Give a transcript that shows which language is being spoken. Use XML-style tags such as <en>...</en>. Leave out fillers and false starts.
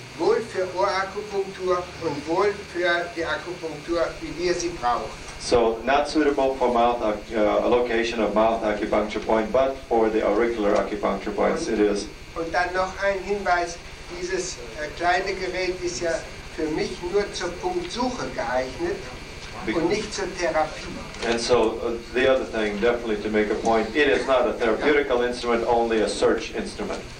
<de>Wohl für Ohrakupunktur und wohl für die Akupunktur, wie wir sie brauchen.</de> <en>So, not suitable for mouth location of mouth acupuncture point, but for the auricular acupuncture points, it is.</en> <de>Und dann noch ein Hinweis, dieses kleine Gerät ist ja für mich nur zur Punktsuche geeignet und nicht zur Therapie.</de> <en>And so, the other thing, definitely to make a point, it is not a therapeutical instrument, only a search instrument.</en>